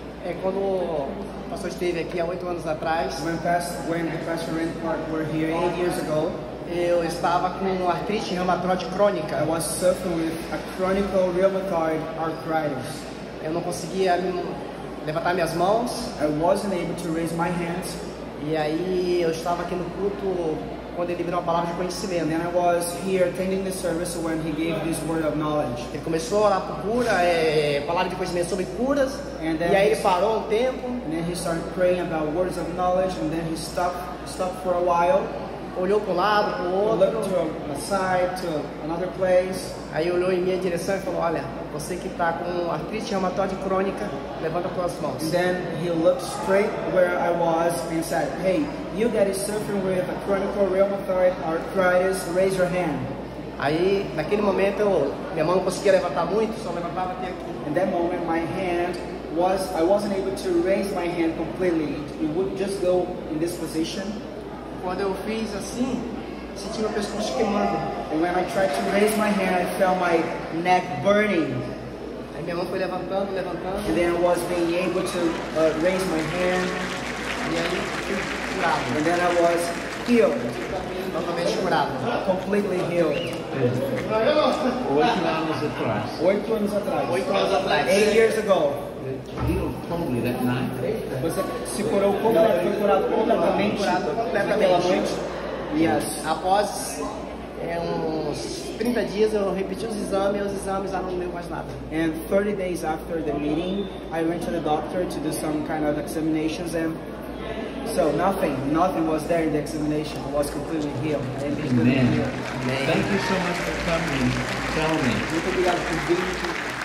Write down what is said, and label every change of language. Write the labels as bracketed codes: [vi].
[pt] É quando o pastor esteve aqui há 8 anos atrás. [en] When the pastor and Clark were here 8 years ago, [pt] eu estava com uma artrite reumatoide crônica. [en] I was suffering with a chronic rheumatoid arthritis. [pt] Eu não conseguia levantar minhas mãos. [en] I wasn't able to raise my hands. [pt] E aí eu estava aqui no culto quando ele liberou a palavra de conhecimento. [en] And I was here attending the service when he gave this word of knowledge. [pt] Ele começou a orar por cura, palavra de conhecimento sobre curas. E aí ele parou um tempo. [en] And then he started praying about words of knowledge, and then he stopped for a while. [pt] Olhou para um lado, para o outro. [en] Looked to a side, to another place. [pt] Aí olhou em minha direção e falou, olha, Você que está com artrite reumatoide crônica, levanta suas mãos. [en] And then he looked straight where I was and said, hey, you that is suffering with a chronic rheumatoid arthritis, raise your hand. [pt] Aí, naquele momento, minha mão não conseguia levantar muito, só levantava até aqui. [en] In that moment, my hand was, I wasn't able to raise my hand completely. It would just go in this position. [pt] Quando eu fiz assim, senti meu pescoço queimando. [en] And when I tried to raise my hand, I felt my neck burning. [pt] Aí minha mão foi levantando, levantando. [en] And then I was being able to raise my hand. [pt] E aí, curado. [en] And then I was healed. [pt] Totalmente curado. [en] Completely healed. [pt] 8 anos atrás. 8 anos atrás. 8 anos atrás. [en] 8 years ago. Healed completely that night. [pt] Você se curou completamente. Curado completamente. Pela noite. [en] Yes. [pt] Após uns 30 dias, eu repeti os exames lá não deu mais nada. [en] And 30 days after the meeting, I went to the doctor to do some kind of examinations, and so nothing was there in the examination. I was completely healed. Amen. Thank you so much for coming. Tell me. [pt] Muito obrigado por vir.